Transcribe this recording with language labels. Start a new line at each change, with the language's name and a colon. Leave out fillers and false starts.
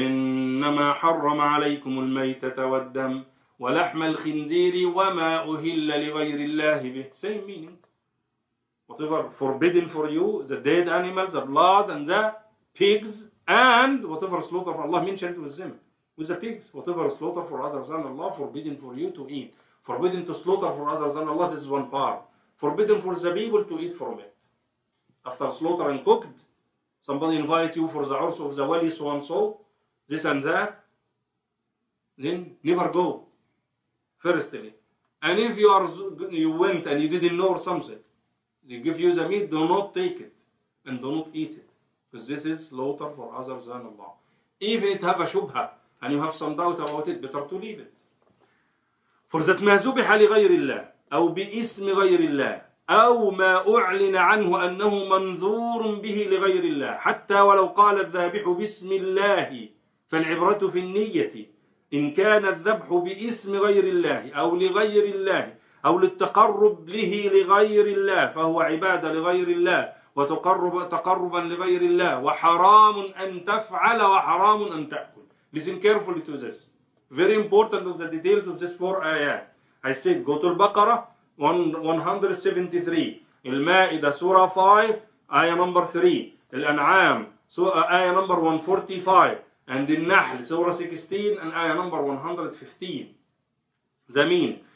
Arabic: إنما حرم عليكم الميتة والدم ولحم الخنزير وما أهل لغير الله به.
English: Same meaning. Whatever forbidden for you, the dead animals, the blood, and the pigs, and whatever slaughter for Allah mentioned with them, with the pigs, whatever slaughter for others than Allah, forbidden for you to eat. Forbidden to slaughter for others than Allah, this is one part. Forbidden for the people to eat from it. After slaughter and cooked, somebody invite you for the urs of the wali, so and so, this and that, then never go, firstly. And if you went and you didn't know or something, they give you the meat, do not take it and do not eat it. Because this is slaughter for others than Allah. Even if it have a shubha and you have some doubt about it, better to leave it.
Arabic: For that ما زبح لغير الله أو بإسم غير الله أو ما أعلن عنه أنه منذور به لغير الله حتى ولو قال الذابح باسم الله فالعبرة في النية إن كان الذبح بإسم غير الله أو لغير الله أو للتقرب له لغير الله فهو عبادة لغير الله وتقربا لغير الله وحرام أن تفعل وحرام أن تأكل.
English: Listen carefully to this. Very important of the details of this four ayat. I said go to Al-Baqarah 173, Al-Ma'idah Surah 5 ayah number 3, Al-An'am ayah number 145, and Al-Nahl Surah 16 and ayah number 115. Zameen.